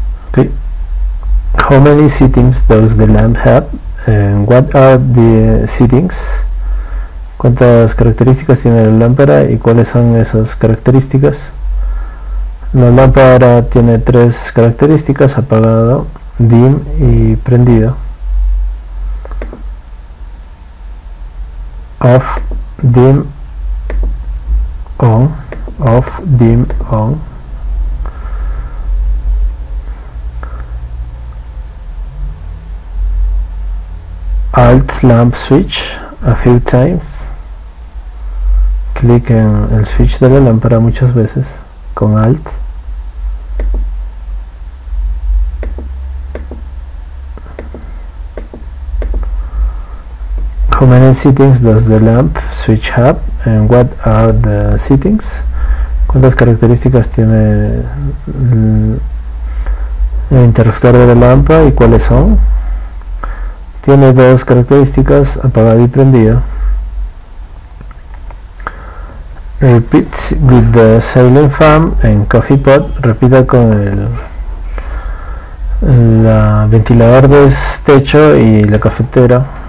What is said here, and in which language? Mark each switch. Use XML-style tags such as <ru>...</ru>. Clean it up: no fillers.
<en>Okay, how many settings does the lamp have? And what are the settings?</en> <es>¿Cuántas características tiene la lámpara y cuáles son esas características? La lámpara tiene tres características: apagado, dim y prendido.</es> <en>Off, dim, on. Off, dim, on. Alt lamp switch a few times.</en> <es>Clic en el switch de la lámpara muchas veces con Alt.</es> <en>How many settings does the lamp switch have? And what are the settings?</en> <es>¿Cuántas características tiene el interruptor de la lámpara y cuáles son? Tiene dos características, apagado y prendido.</es> <en>Repeat with the silent fan and coffee pot.</en> <es>Repita con el ventilador de techo y la cafetera.</es>